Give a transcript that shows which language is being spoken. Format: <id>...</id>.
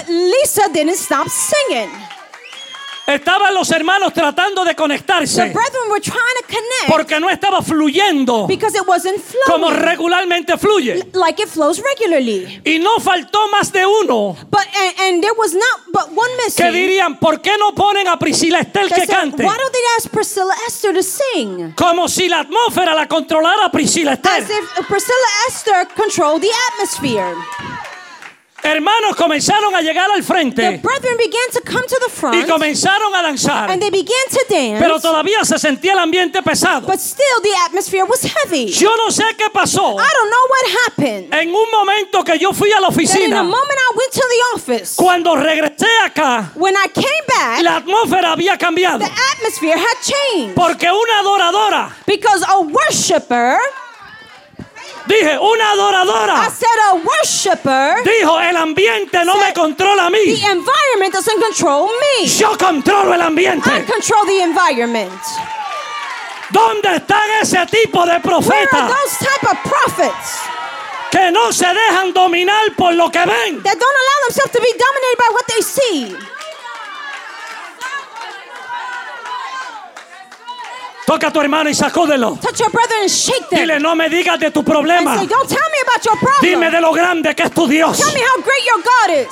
<en>But Lisa didn't stop singing.</en> <es>Estaban los hermanos tratando de conectarse.</es> <en>The brethren were trying to connect.</en> <es>Porque no estaba fluyendo.</es> <en>Because it wasn't flowing.</en> <es>Como regularmente fluye.</es> <en>Like it flows regularly.</en> <es>Y no faltó más de uno.</es> <en>But and there was not but one missing.</en> <es>Que dirían, ¿por qué no ponen a Priscila Esther que cante?</es> <en>Why don't they ask Priscilla Esther to sing?</en> <es>Como si la atmósfera la controlara Priscila Esther.</es> <en>As if Priscilla Esther controlled the atmosphere.</en> <es>Hermanos comenzaron a llegar al frente.</es> <en>The brethren began to come to the front.</en> <es>Y comenzaron a danzar.</es> <en>And they began to dance.</en> <es>Pero todavía se sentía el ambiente pesado.</es> <en>But still the atmosphere was heavy.</en> <es>Yo no sé qué pasó.</es> <en>I don't know what happened.</en> <es>En un momento que yo fui a la oficina.</es> <en>In a moment I went to the office.</en> <es>Cuando regresé acá.</es> <en>When I came back.</en> <es>La atmósfera había cambiado.</es> <en>The atmosphere had changed.</en> <es>Porque una adoradora.</es> <en>Because a worshiper.</en> <es>Dije, una adoradora.</es> <en>I said a worshiper.</en> <es>Dijo, el ambiente no</es> <en>said,</en> <es>me controla a mí.</es> <en>The environment doesn't control me.</en> <es>Yo controlo el ambiente.</es> <en>I control the environment.</en> <es>¿Dónde están ese tipo de profetas?</es> <en>Where are those type of prophets?</en> <es>Que no se dejan dominar por lo que ven.</es> <en>That don't allow themselves to be dominated by what they see.</en> <es>Toca a tu hermano y sacúdelo.</es> <en>Touch your brother and shake them.</en> <es>Dile, no me digas de tu problema.</es> <en>And say, don't tell me about your problem.</en> <es>Dime de lo grande que es tu Dios.</es> <en>Tell me how great your God is.</en>